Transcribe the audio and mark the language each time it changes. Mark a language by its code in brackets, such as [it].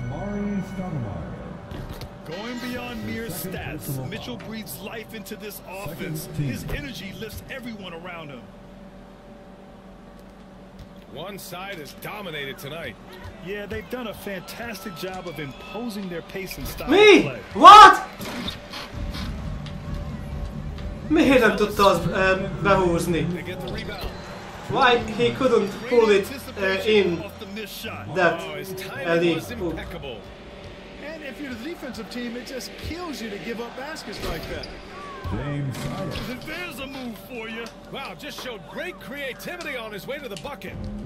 [en] Going beyond mere stats, Mitchell breathes life into this offense. His energy lifts everyone around him. One side has dominated tonight. Yeah, they've done a fantastic job of imposing their pace and style. Me? Play. What? [hu] Miért nem tudta az behúzni? [en] Why he couldn't pull it in that impeccable. And if you're the defensive team, it just kills you to give up baskets like that. James Silas. There's a move for you. Wow, just showed great creativity on his way to the bucket.